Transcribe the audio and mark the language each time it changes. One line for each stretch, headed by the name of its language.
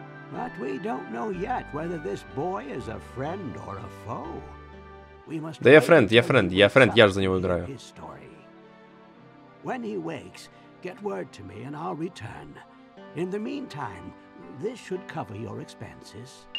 English: But we don't know yet whether this boy is a friend or a foe. We must.
Russian: Да, я френд, я же за него играю.
English: When he wakes, get word to me and I'll return. In the meantime, this should cover your expenses.